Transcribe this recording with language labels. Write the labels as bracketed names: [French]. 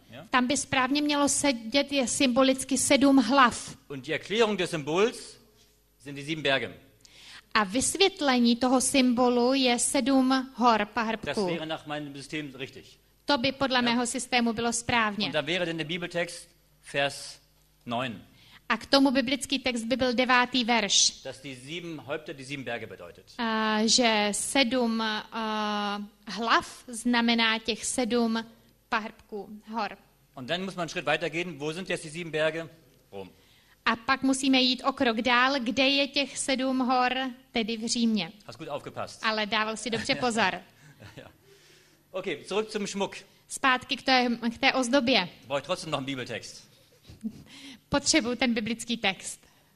[Czech] Tam by správně mělo sedět je symbolicky sedm hlav. [German] Und die Erklärung des Symbols sind die sieben Berge. [Czech] A vysvětlení toho symbolu je sedm hor, pahrbků. [German] Das wäre nach meinem System richtig. [Czech] To by podle mého systému bylo správně. [German] Und da wäre denn der Bibeltext, Vers 9. [Czech] A k tomu biblický text by byl devátý verš. [German] Dass die sieben Häupter die sieben Berge bedeutet. [Czech] Že sedm hlav znamená těch sedm pahrbků, hor. [German] Und dann muss man Schritt weitergehen. Wo sind jetzt die sieben Berge? Rom. [Czech] A pak musíme jít o krok dál, kde je těch sedm hor, tedy v Římě. [German] Hast gut aufgepasst. [Czech] Ale dával si dobře pozor. [German] Okay, zurück zum Schmuck. [Czech] Zpátky k té ozdobě. [German] Brauch ich trotzdem noch einen Bibeltext. [Czech] Potřebuji ten biblický text.